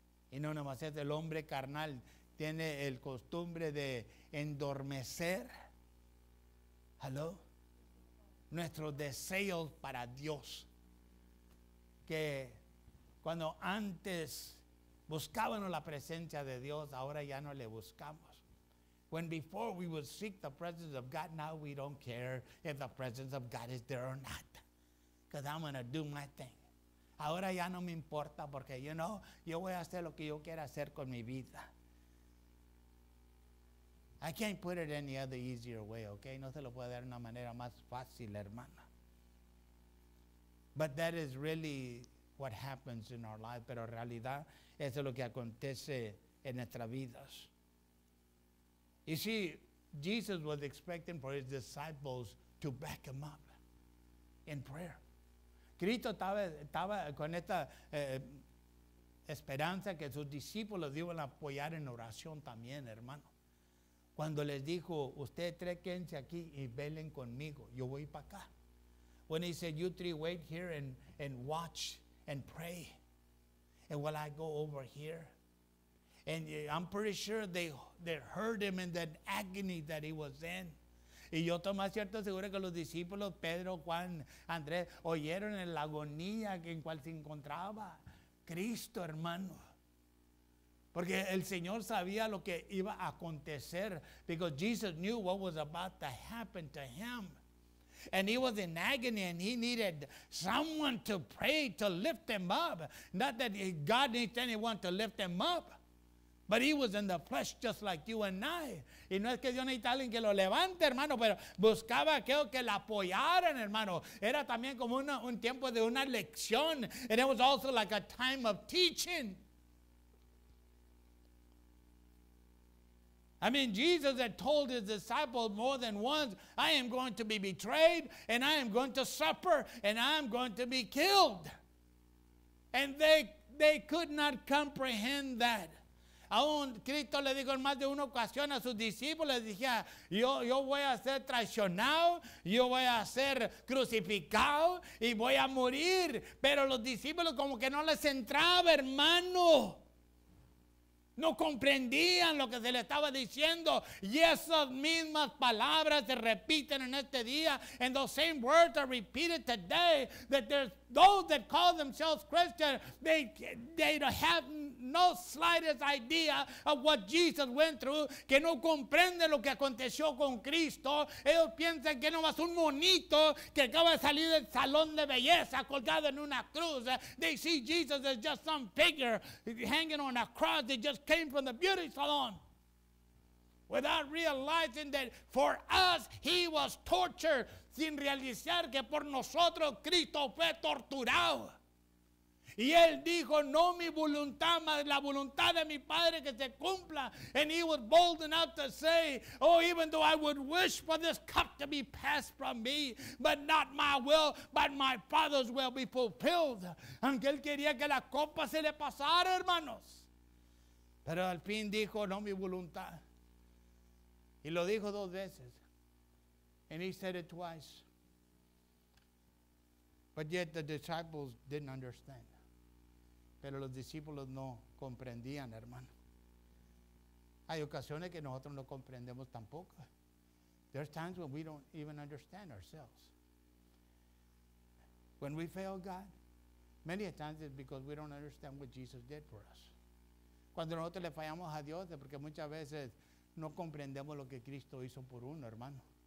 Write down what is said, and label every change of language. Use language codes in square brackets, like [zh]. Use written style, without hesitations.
[es] Y no nomás eso, el hombre carnal tiene el costumbre de endormecer. Hello? Nuestros deseos para Dios, que cuando antes buscábamos la presencia de Dios, ahora ya no le buscamos. [en] When before we would seek the presence of God, now we don't care if the presence of God is there or not, because I'm going to do my thing. [es] Ahora ya no me importa, porque [en] you know, [es] yo voy a hacer lo que yo quiera hacer con mi vida. [en] I can't put it any other easier way, okay? [es] No se lo puedo dar de una manera más fácil, hermana. [en] But that is really what happens in our life. [es] Pero en realidad, eso es lo que acontece en nuestras vidas. [en] You see, Jesus was expecting for his disciples to back him up in prayer. [es] Cristo estaba con esta esperanza que sus discípulos iban a apoyar en oración también, hermano. Cuando les dijo, ustedes tres quédense aquí y velen conmigo, yo voy para acá. [en] When he said, you three wait here and watch and pray. And while I go over here. And I'm pretty sure they heard him in that agony that he was in. [es] Y yo estoy más cierto seguro que los discípulos, Pedro, Juan, Andrés, oyeron en la agonía en cual se encontraba Cristo, hermano. Porque el Señor sabía lo que iba a acontecer. [en] Because Jesus knew what was about to happen to him. And he was in agony and he needed someone to pray to lift him up. Not that God needs anyone to lift him up. But he was in the flesh just like you and I. [es] Y no es que Dios necesita alguien que lo levante, hermano, pero buscaba aquello que le apoyaran, hermano. Era también como un tiempo de una lección. [en] And it was also like a time of teaching. I mean, Jesus had told his disciples more than once, I am going to be betrayed, and I am going to suffer, and I am going to be killed. And they could not comprehend that. [es] Aún Cristo le dijo en más de una ocasión a sus discípulos, les decía, yo voy a ser traicionado, yo voy a ser crucificado, y voy a morir. Pero los discípulos como que no les entraba, hermano. No comprendían lo que se le estaba diciendo. Y esas mismas palabras se repiten en este día. [en] And those same words are repeated today. That there's those that call themselves Christian. They have no slightest idea of what Jesus went through. [es] Que no comprenden lo que aconteció con Cristo. Ellos piensan que no más un monito que acaba de salir del salón de belleza colgado en una cruz. [en] They see Jesus as just some figure hanging on a cross. They just came from the beauty salon without realizing that for us he was tortured, [es] sin realizar que por nosotros Cristo fue torturado. Y él dijo, no mi voluntad, mas la voluntad de mi Padre que se cumpla. [en] And he was bold enough to say, oh, even though I would wish for this cup to be passed from me, but not my will, but my Father's will be fulfilled. [es] Aunque él quería que la copa se le pasara, hermanos. Pero al fin dijo, no mi voluntad. Y lo dijo dos veces. [en] And he said it twice. But yet the disciples didn't understand. [es] Pero los discípulos no comprendían, hermano. Hay ocasiones que nosotros no comprendemos tampoco. [en] There's times when we don't even understand ourselves. When we fail God, many a times it's because we don't understand what Jesus did for us. [es] Cuando nosotros le fallamos a Dios, es porque muchas veces no comprendemos lo que Cristo hizo por uno, hermano.